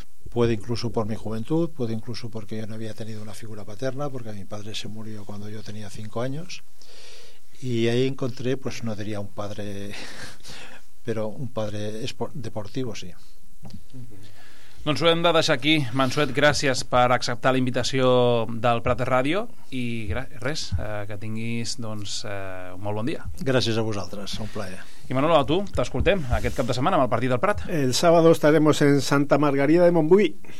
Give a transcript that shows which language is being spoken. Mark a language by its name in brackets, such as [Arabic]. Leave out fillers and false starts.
[Spanish] puede incluso por mi juventud, puede incluso porque yo no había tenido una figura paterna, porque mi padre se murió cuando yo tenía 5 años. Y ahí encontré, pues no diría un padre, pero un padre deportivo, sí. [Catalan] Doncs ho hem de deixar aquí. Mansuet, gràcies per acceptar la invitació del Prat Ràdio i res, que tinguis doncs, un molt bon dia. Gràcies a vosaltres, un plaer. I Manolo, a tu, t'escoltem aquest cap de setmana amb el partit del Prat. [Spanish] El sábado estaremos en Santa Margarida de Montbui.